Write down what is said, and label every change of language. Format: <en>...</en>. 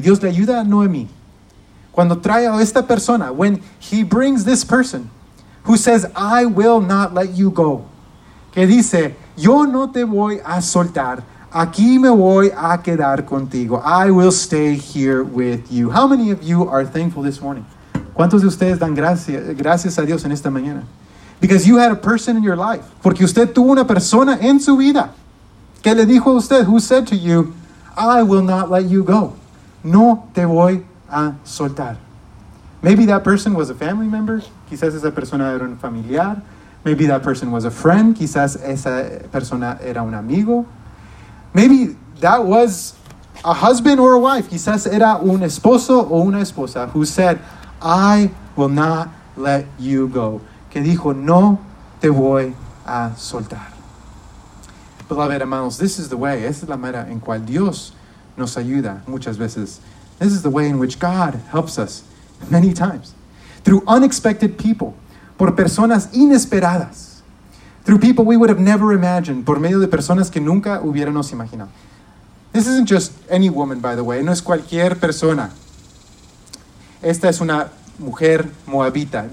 <es>Dios le ayuda a Noemi. Cuando trae a esta persona,</es> <en>when he brings this person, who says, I will not let you go.</en> <es>Que dice, yo no te voy a soltar. Aquí me voy a quedar contigo.</es> <en>I will stay here with you. How many of you are thankful this morning?</en> <es>¿Cuántos de ustedes dan gracias a Dios en esta mañana?</es> <en>Because you had a person in your life.</en> <es>Porque usted tuvo una persona en su vida. Que le dijo a usted,</es> <en>who said to you,</en> <es>I will not let you go. No te voy a soltar.</es> <en>Maybe that person was a family member.</en> <es>Quizás esa persona era un familiar.</es> <en>Maybe that person was a friend.</en> <es>Quizás esa persona era un amigo.</es> <en>Maybe that was a husband or a wife.</en> <es>Quizás era un esposo o una esposa</es> <en>who said, I will not let you go.</en> <es>Que dijo, no te voy a soltar.</es> <en>Beloved,</en> <es>hermanos,</es> <en>this is the way.</en> <es>Esa es la manera en cual Dios nos ayuda muchas veces.</es> <en>This is the way in which God helps us many times. Through unexpected people,</en> <es>por personas inesperadas.</es> <en>Through people we would have never imagined,</en> <es>por medio de personas que nunca hubiéramos imaginado.</es> <en>This isn't just any woman, by the way.</en> <es>No es cualquier persona. Esta es una mujer moabita.</es>